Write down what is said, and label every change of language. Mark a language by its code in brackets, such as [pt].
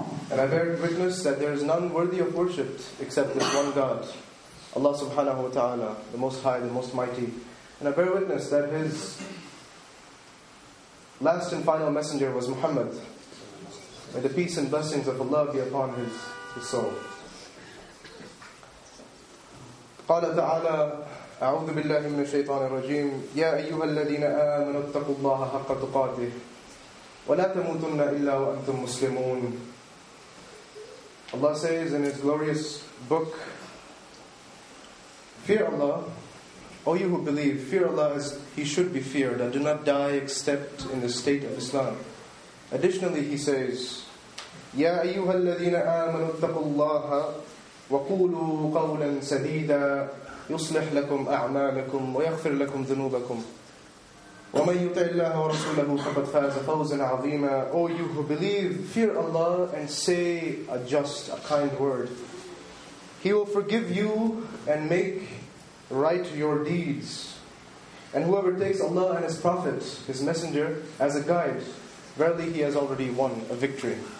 [en] And I bear witness that there is none worthy of worship except this one God, Allah subhanahu wa ta'ala, the Most High, the Most Mighty. And I bear witness that His last and final messenger was Muhammad. May the peace and blessings of Allah be upon his soul. [ar] قال تعالى أعوذ بالله من الشيطان الرجيم يا أيها الذين آمنوا اتقوا الله حق تقاته ولا تموتن إلا وأنتم مسلمون. [en] Allah says in His glorious book, fear Allah, O you who believe, fear Allah as He should be feared, and do not die except in the state of Islam. Additionally, He says, [ar] يَا أَيُّهَا الَّذِينَ آمَنُوا اتَّقُوا اللَّهَ وَقُولُوا قَوْلًا سَدِيدًا يُصْلِحْ لَكُمْ أَعْمَالَكُمْ وَيَغْفِرْ لَكُمْ ذُنُوبَكُمْ وَمَنْ يُطِعِ اللَّهَ وَرَسُولَهُ فَقَدْ فَازَ فَوْزًا عَظِيمًا. [en] O you who believe, fear Allah and say a just, a kind word. He will forgive you and make right your deeds. And whoever takes Allah and His Prophet, His Messenger, as a guide, verily he has already won a victory.